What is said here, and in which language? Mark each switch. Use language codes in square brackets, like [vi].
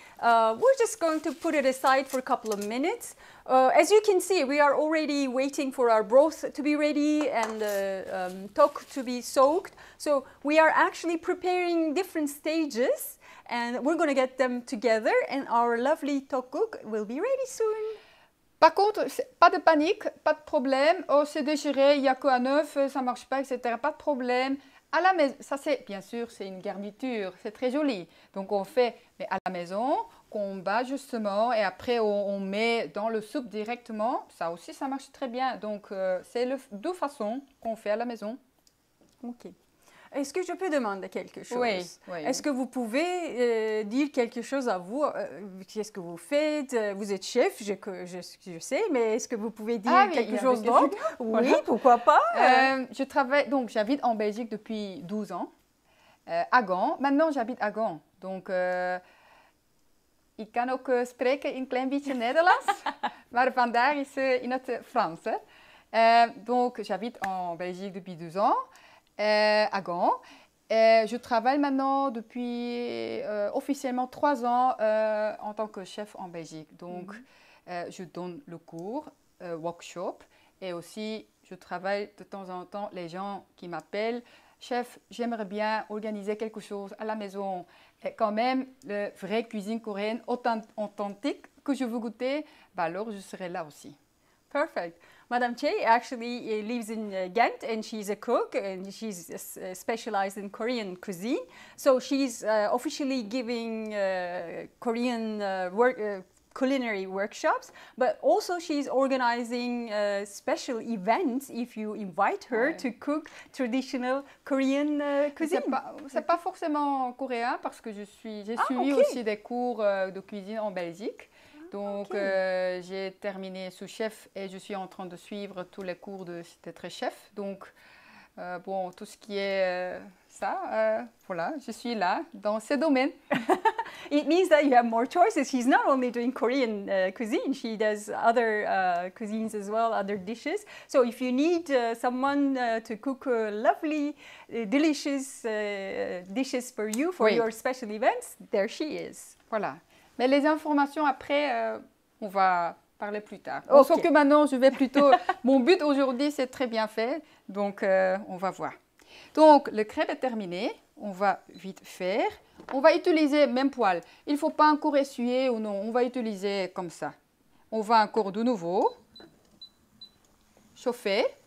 [en] We're just going to put it aside for a couple of minutes. As you can see, we are already waiting for our broth to be ready and the tok to be soaked. So we are actually preparing different stages and we're going to get them together and our lovely tokuk will be ready soon. [fr] Par contre, pas de panique, pas de problème. Oh, c'est déchiré, il n'y a qu'un œuf, ça ne marche pas, etc. Pas de problème. À la maison, ça c'est bien sûr, c'est une garniture, c'est très joli. Donc on fait mais à la maison, qu'on bat justement et après on met dans le soupe directement. Ça aussi, ça marche très bien. Donc c'est deux façons qu'on fait à la maison. Ok. Est-ce que je peux demander quelque chose? Oui. Est-ce que vous pouvez dire quelque chose à vous? Qu'est-ce que vous faites? Vous êtes chef, je sais, mais est-ce que vous pouvez dire quelque chose d'autre? Oui, pourquoi pas? Je travaille, donc j'habite en Belgique depuis 12 ans, à Gand. Maintenant, j'habite à Gand. [nl] Donc, ik kan ook spreken een klein beetje Nederlands, maar vandaag is in het Frans. [fr] Donc, j'habite en Belgique depuis 12 ans. À Gand. Je travaille maintenant depuis officiellement 3 ans en tant que chef en Belgique. Donc, je donne le cours, workshop, et aussi je travaille de temps en temps les gens qui m'appellent. Chef, j'aimerais bien organiser quelque chose à la maison. Et quand même, la vraie cuisine coréenne authentique que je veux goûter, alors je serai là aussi. [en] Perfect. Madame Che actually lives in Ghent and she's a cook and she's specialized in Korean cuisine. So she's officially giving Korean culinary workshops, but also she's organizing special events if you invite her to cook traditional Korean cuisine. [fr] C'est pas forcément coréen parce que j'ai suivi aussi des cours de cuisine en Belgique. Donc, j'ai terminé sous chef et je suis en train de suivre tous les cours d'être chef. Donc, Bon, tout ce qui est ça, voilà, je suis là dans ce domaine. [en] It means that you have more choices. She's not only doing Korean cuisine, she does other cuisines as well, other dishes. So if you need someone to cook lovely, delicious dishes for you, for your special events, there she is. [fr] Voilà. Mais les informations après, on va parler plus tard. Okay. Sauf que maintenant, je vais plutôt... Mon but aujourd'hui, c'est très bien fait. Donc, on va voir. Donc, le crêpe est terminé. On va vite faire. On va utiliser même poil. Il ne faut pas encore essuyer ou non. On va utiliser comme ça. On va encore de nouveau chauffer.